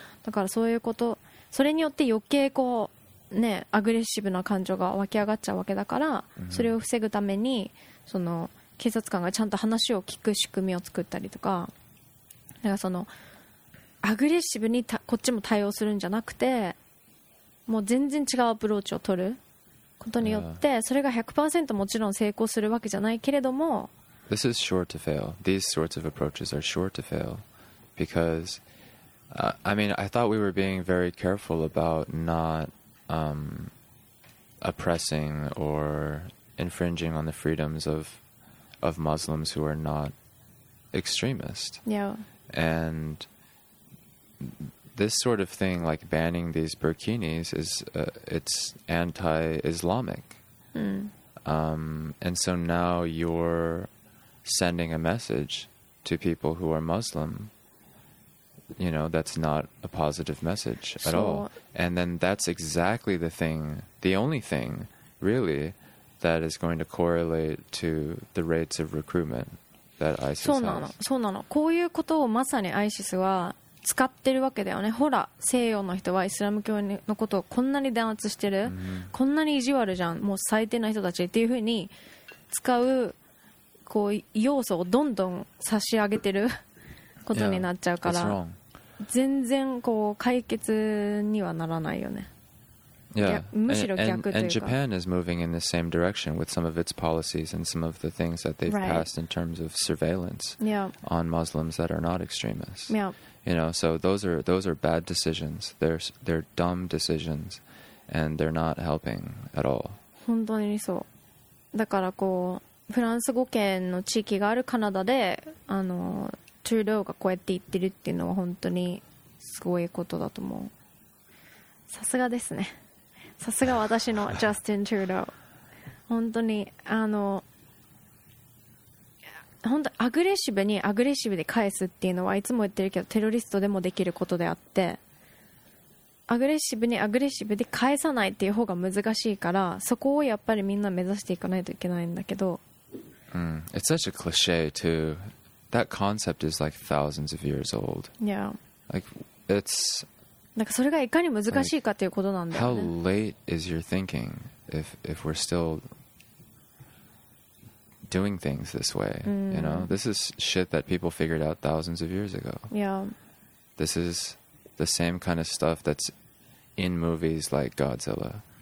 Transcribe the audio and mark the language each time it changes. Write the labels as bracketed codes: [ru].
[ja] だからそういうこと、それによって余計こうね、アグレッシブな感情が湧き上がっちゃうわけだから、それを防ぐためにその警察官がちゃんと話を聞く仕組みを作ったりとか、だからそのアグレッシブにこっちも対応するんじゃなくて、もう全然違うアプローチを取ることによって、それが 100% もちろん成功するわけじゃないけれども、 [en] This is sure to fail. These sorts of approaches are sure to fail because、I mean, I thought we were being very careful about not、oppressing or infringing on the freedoms of Muslims who are not extremist. Yeah. And this sort of thing, like banning these burkinis, is、it's anti-Islamic.、And so now you're sending a message to people who are Muslim, you know, that's not a positive message at all. And then that's exactly the thing, the only thing, really,That is going to correlate to the rates of recruitment that ISIS [ja] そうなの、そうなの。こういうことをまさに ISIS は使ってるわけだよね。ほら、西洋の人はイスラム教のことをこんなに弾圧してる、mm-hmm. こんなに意地悪じゃん、もう最低な人たちっていうふうに使う、 こう要素をどんどん差し上げてることになっちゃうから、 [en] yeah. [ja] 全然こう解決にはならないよね。 [en] Yeah, and Japan is moving in the same direction with some of its policies and some of the things that they've、 right. passed in terms of surveillance、 yeah. on Muslims that are not extremists.、 Yeah. You know, so those are bad decisions. They're dumb decisions, and they're not helping at all. [ja] 本当にそう。だからこう、フランス語圏の地域があるカナダで、あの、トゥルドーがこうやって言ってるっていうのは本当にすごいことだと思う。さすがですね。さすが私のジャスティン・トゥルドー。本当にあの本当アグレッシブにアグレッシブで返すっていうのはいつも言ってるけど、テロリストでもできることであって、アグレッシブにアグレッシブで返さないっていう方が難しいから、そこをやっぱりみんな目指していかないといけないんだけど、 [en] It's such a cliche too. That concept is like thousands of years old. Yeah. Like it's [ja] なんかそれがいかに難しいかっていうことなんだよね。 [en] How late is your thinking if we're still doing things this way? You know, this is shit that people figured out thousands of years ago. Yeah. This is the same kind of stuff that's in movies like Godzilla.